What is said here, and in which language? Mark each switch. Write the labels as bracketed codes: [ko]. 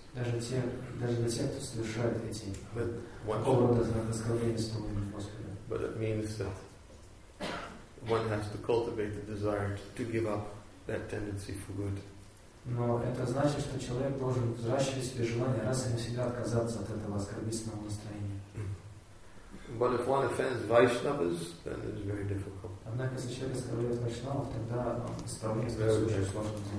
[ru] Даже для тех, кто совершает эти оскорбления. [en] But it means that one has to cultivate the desire to give up that tendency for good. [ru] Но это значит, что человек должен взращивать себе желание раз и навсегда отказаться от этого оскорбительного настроения. [en] But if one offends Vaishnavas, then it is very difficult. [ru] Однако если человек оскорбляет Вайшнавов, тогда справляется очень сложно.